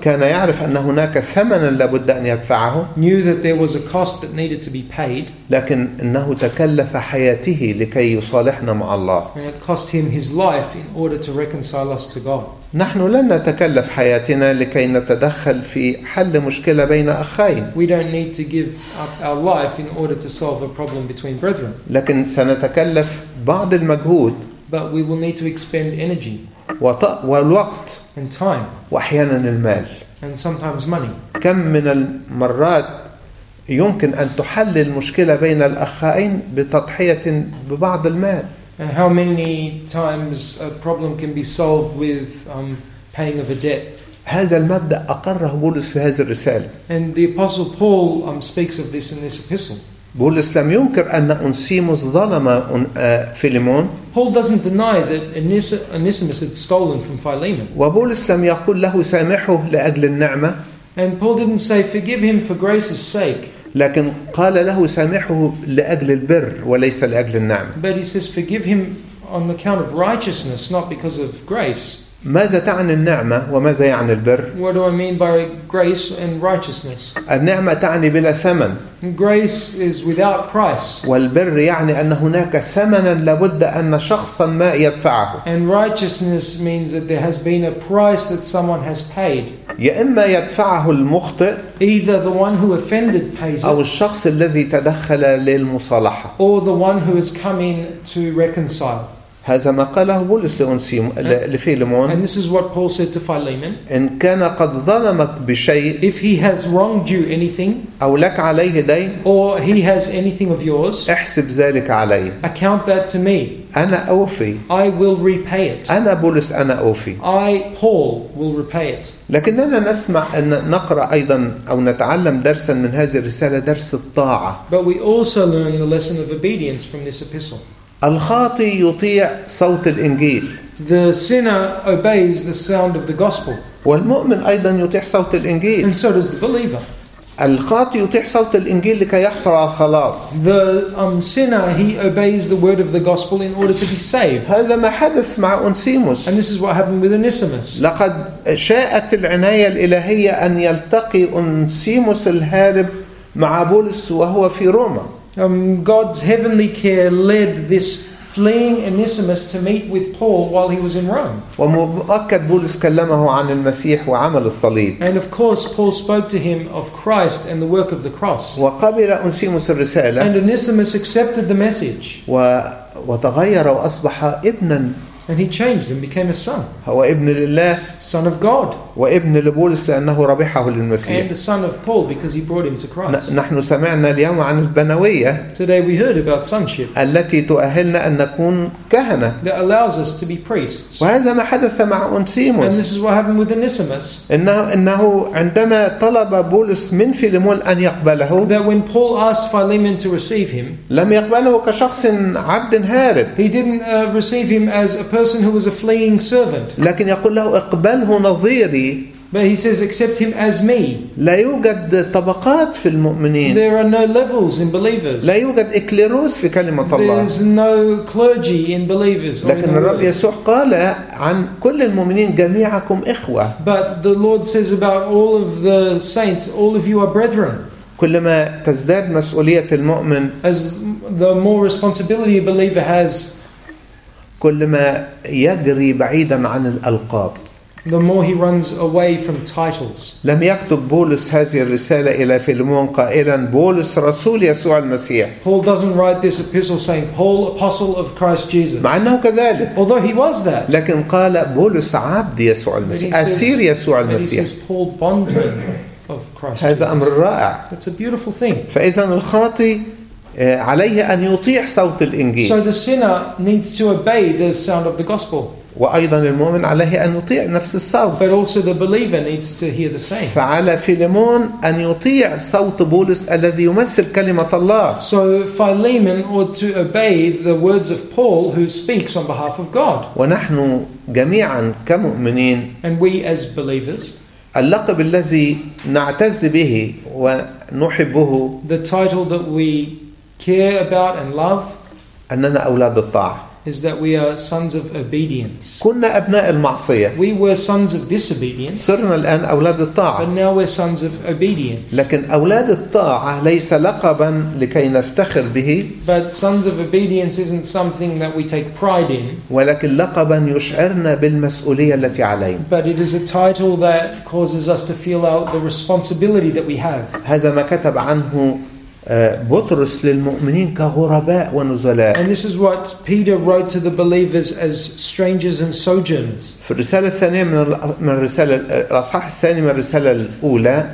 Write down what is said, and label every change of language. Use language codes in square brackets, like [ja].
[ar] كان يعرف أن هناك ثمنا لابد أن يدفعه. [en] Knew that there was a cost that needed to be paid. [ar] لكن إنه تكلف حياته لكي يصالحنا مع الله. [en] And it cost him his life in order to reconcile us to God. [ar] نحن لن نتكلف حياتنا لكي نتدخل في حل مشكلة بين أخين. [en] We don't need to give up our life in order to solve a problem between brethren. [ar] لكن سنتكلف بعض المجهود. [en] But we will need to expend energy [ar] والوقت [en] and time [ar] وأحيانا المال [en] and sometimes money. [ar] كم من المرات يمكن أن تحل المشكلة بين الأخين بتضحية ببعض المال. [en] And how many times a problem can be solved with paying of a debt. [ar] هذا المبدأ أقره بولس في هذه الرسالة. [en] And the Apostle Paul speaks of this in this epistle. [ar] بولس لم ينكر أن أنسيموس ظلم فيليمون. [en] Paul doesn't deny that Onesimus had stolen from Philemon. [ar] وبولس لم يقول له سامحه لأجل النعمة. [en] And Paul didn't say, forgive him for grace's sake. [ar] لكن قال له سامحه لأجل البر وليس لأجل النعمة. [en] But he says, forgive him on account of righteousness, not because of grace. [ar] ماذا تعني النعمة وماذا يعني البر؟ [en] What do I mean by grace and righteousness? [ar] النعمة تعني بلا ثمن. [en] Grace is without price. [ar] والبر يعني أن هناك ثمنا لابد أن شخصا ما يدفعه. [en] And righteousness means that there has been a price that someone has paid. [ar] يا إما يدفعه المخطئ. [en] Either the one who offended pays it. [ar] أو الشخص الذي تدخل للمصالحة. [en] Or the one who has come in to reconcile. [ar] هذا ما قاله بولس لفيلمون. [en] And this is what Paul said to Philemon. [ar] إن كان قد ظلمك بشيء. [en] If he has wronged you anything. [ar] أو لك عليه دين. [en] Or he has anything of yours. [ar] احسب ذلك علي. [en] Account that to me. [ar] أنا أوفي. [en] I will repay it. [ar] أنا بولس أنا أوفي. [en] I Paul will repay it. [ar] لكننا نسمع أن نقرأ أيضا أو نتعلم درسا من هذه الرسالة درس الطاعة. [en] But we also learn the lesson of obedience from this epistle. [ar] الخاطي يطيع صوت الإنجيل. [en] The sinner obeys the sound of the gospel. [ar] والمؤمن أيضا يطيع صوت الإنجيل. [en] And so does the believer. [ar] الخاطي يطيع صوت الإنجيل لكي يحصل على الخلاص. [en] The sinner he obeys the word of the gospel in order to be saved. [ar] هذا ما حدث مع أنسيموس. [en] And this is what happened with Onesimus. [ar] لقد شاءت العناية الإلهية أن يلتقي أنسيموس الهارب مع بولس وهو في روما. [en] God's heavenly care led this fleeing Onesimus to meet with Paul while he was in Rome. [ar] ومؤكد بولس كلمه عن المسيح وعمل الصليب. [en] And of course, Paul spoke to him of Christ and the work of the cross. [ar] وقبل أنسيموس الرسالة. [en] And Onesimus accepted the message. [ar] وتغير وأصبح ابنا. [en] And he changed and became a son. [ar] هو ابن لله. [en] Son of God. [ar] وابن لبولس لأنه ربحه للمسيح. [en] And the son of Paul because he brought him to Christ. [ar] نحن سمعنا اليوم عن البنوية. [en] Today we heard about sonship. [ar] التي تؤهلنا أن نكون كهنة. [en] That allows us to be priests. [ar] وهذا ما حدث مع أنسيموس. [en] And this is what happened with Onesimus. [ar] إنه عندما طلب بولس من فيلمون أن يقبله. [en] That when Paul asked Philemon to receive him. [ar] لم يقبله كشخص عبد هارب. [en] He didn't receive him as a person who was a fleeing servant. [ar] لكن يقول له اقبله نظيري. [en] But he says, accept him as me. [ar] لا يوجد طبقات في المؤمنين. [en] There are no levels in believers. [ar] لا يوجد إكليروس في كلمة الله. [en] There's no clergy in believers. [ar] لكن الرب يسوع قال عن كل المؤمنين جميعكم إخوة. [en] But the Lord says about all of the saints, all of you are brethren. [ar] كلما تزداد مسؤولية المؤمن. [en] As the more responsibility a believer has. [ar] كلما يجري بعيدا عن الألقاب. [en] The more he runs away from titles. [ar] لم يكتب بولس هذه الرسالة إلى فيلمون قائلا بولس رسول يسوع المسيح. [en] Paul doesn't write this epistle saying Paul apostle of Christ Jesus. [ar] مع أنه كذلك. [en] Although he was that. [ar] لكن قال بولس عبد يسوع المسيح. أسير يسوع المسيح. [en] He says Paul bondman of Christ. [ar] هذا أمر رائع. [en] It's a beautiful thing. [ar] فإذا الخاطي عليه أن يطيع صوت الإنجيل. [en] So the sinner needs to obey the sound of the gospel. [ar] وأيضا المؤمن عليه أن يطيع نفس الصوت. [en] But also the believer needs to hear the same. [ar] فعلى فيلمون أن يطيع صوت بولس الذي يمثل كلمة الله. [en] So Philemon ought to obey the words of Paul who speaks on behalf of God. [ar] ونحن جميعا كمؤمنين. [en] And we as believers. [ar] اللقب الذي نعتز به ونحبه. [en] The title that we care about and love. [ar] أننا أولاد الطاعة. [en] Is that we are sons of obedience. [ar] كنا أبناء المعصية. [en] We were sons of disobedience. [ar] صرنا الآن أولاد الطاعة. [en] But now we're sons of obedience. [ar] لكن أولاد الطاعة ليس لقبا لكي نفتخر به. [en] But sons of obedience isn't something that we take pride in. [ar] ولكن لقبا يشعرنا بالمسؤولية التي علينا. [en] But it is a title that causes us to feel out the responsibility that we have. [ar] هذا ما كتب عنه بطرس للمؤمنين كغرباء ونزلاء. [en] And this is what Peter wrote to the believers as strangers and sojourners. [ar] في الرسالة الثانية من الرسالة الأصحاح الثاني من الرسالة الأولى.